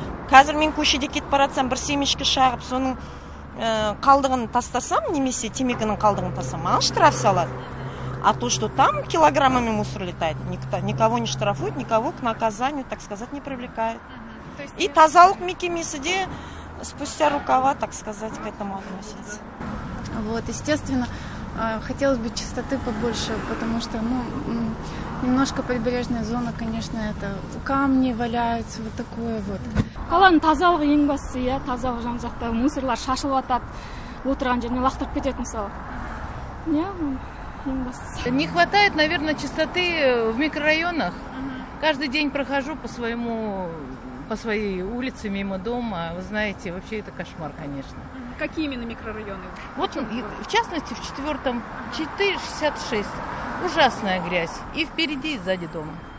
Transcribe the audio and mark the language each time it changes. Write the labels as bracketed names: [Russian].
[Kazakh] Қазір мен көшеде кетіп баратсам, бір семечке шағып, соның қалдығын тастасам, немесе темекінің қалдығын тастасам, маған штраф салады. [Russian] А то, что там килограммами мусор летает, никого не штрафуют, никого к наказанию, так сказать, не привлекают. И [Kazakh] тазалық мекемесі де [Russian] спустя рукава, так сказать, к этому относится. Вот, естественно, хотелось бы чистоты побольше, потому что, ну, немножко прибрежная зона, конечно, это камни валяются, вот такое вот. [Kazakh] Қаланың тазалығы ең басты, иә, тазалық жан жақта мусорлар шашылып атады, отырған жеріне лақтырып кетеді мысалы. Не, ең басты. [Russian] Не хватает, наверное, чистоты в микрорайонах. Каждый день прохожу по своей улице мимо дома, вы знаете, вообще это кошмар, конечно. Какие именно микрорайоны? Вот, в частности, в четвертом, 466, ужасная грязь, и впереди, и сзади дома.